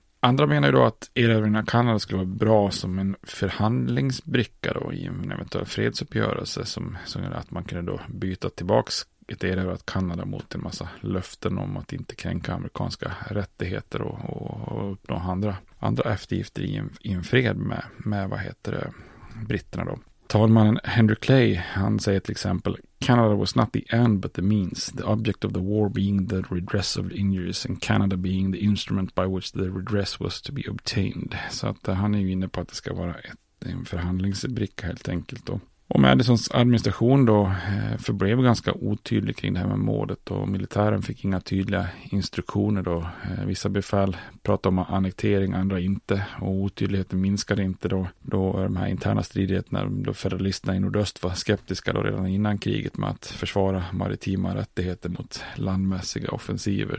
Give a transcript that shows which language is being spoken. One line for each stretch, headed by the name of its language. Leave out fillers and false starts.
Swedish: Andra menar ju då att erövringen av Kanada skulle vara bra som en förhandlingsbricka då i en eventuell fredsuppgörelse, som att man kunde då byta tillbaks ett erövrat Kanada mot en massa löften om att inte kränka amerikanska rättigheter och uppnå andra eftergifter i en fred med vad heter det, britterna då. Talmannen Henry Clay, han säger till exempel:
English: Canada was not the end but the means, the object of the war being the redress of injuries and Canada being the instrument by which the redress was to be obtained.
Swedish: Så att han är ju inne på att det ska vara en förhandlingsbricka helt enkelt då. Och Madisons administration då förblev ganska otydlig kring det här med målet, och militären fick inga tydliga instruktioner då. Vissa befäl pratade om annektering, andra inte, och otydligheten minskade inte då de här interna stridigheterna, då federalisterna i nordöst var skeptiska då redan innan kriget med att försvara maritima rättigheter mot landmässiga offensiver.